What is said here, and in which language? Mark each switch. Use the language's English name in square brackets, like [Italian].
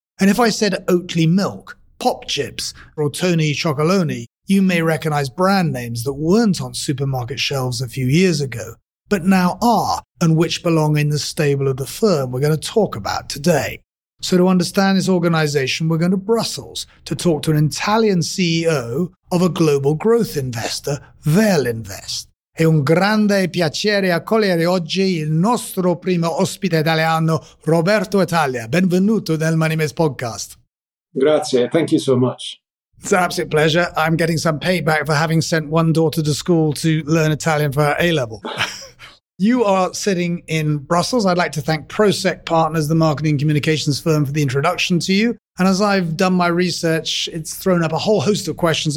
[English] And if I said Oatly Milk, Pop Chips, or Tony Chocolony, you may recognize brand names that weren't on supermarket shelves a few years ago, but now are, and which belong in the stable of the firm we're going to talk about today. So to understand this organization, we're going to Brussels to talk to an Italian CEO of a global growth investor, Verlinvest. [Italian] È un grande piacere accogliere oggi il nostro primo ospite italiano, Roberto Italia. Benvenuto nel Money Maze podcast. Grazie, [English] thank you so much. It's an absolute pleasure. I'm getting some payback for having sent one daughter to school to learn Italian for her A-level. You are sitting in Brussels. I'd like to thank ProSec Partners, the marketing communications firm, for the introduction to you. And as I've done my research, it's thrown up a whole host of questions.